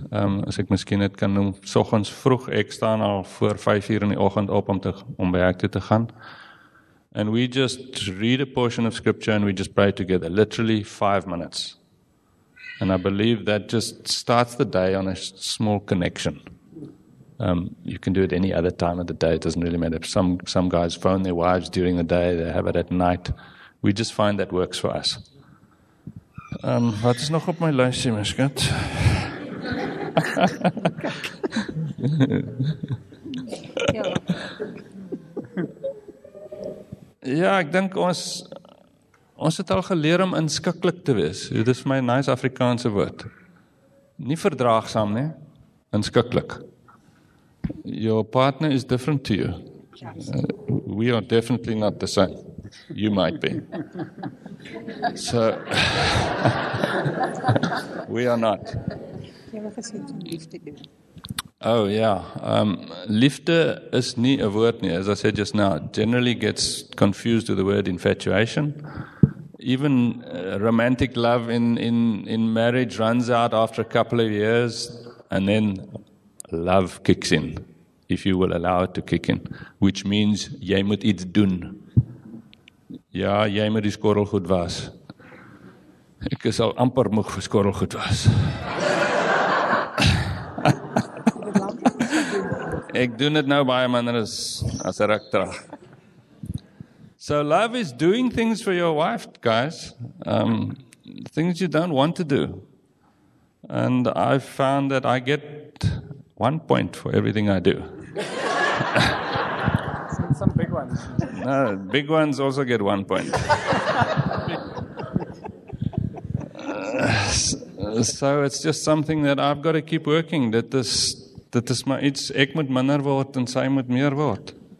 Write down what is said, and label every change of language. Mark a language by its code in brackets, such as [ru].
[af] As ek miskien dit kan noem, soggens vroeg, ek staan al voor 5:00 in die oggend op om werk toe te gaan. [en] And we just read a portion of scripture and we just pray together, literally 5 minutes. And I believe that just starts the day on a small connection. You can do it any other time of the day. It doesn't really matter. Some guys phone their wives during the day. They have it at night. We just find that works for us. [af] Wat is nog op my lysie, my skat? Ja, ek dink ons het al geleer om inskikkelijk te wees. Dit is vir my nice Afrikaanse woord. Nie verdraagsam, nie. Inskikkelijk. [en] Your partner is different to you. We are definitely not the same. You might be. So, we are not. Oh, yeah. [af] Liefde is nie 'n woord nie. [en] As I said just now, generally gets confused with the word infatuation. Even romantic love in marriage runs out after a couple of years, and then love kicks in, if you will allow it to kick in, which means [af] jy moet iets doen. Ja, jy moet die skorrelgoed was. Ek is al amper moeg vir skorrelgoed was. Ek doen dit nou baie minder as 'n ruk terug. [en] So love is doing things for your wife, guys. Things you don't want to do. And I've found that I get 1 point for everything I do. Some big ones. No, big ones also get 1 point. So it's just something that I've got to keep working. That is my iets. [af] Ek moet minder word en sy moet meer word.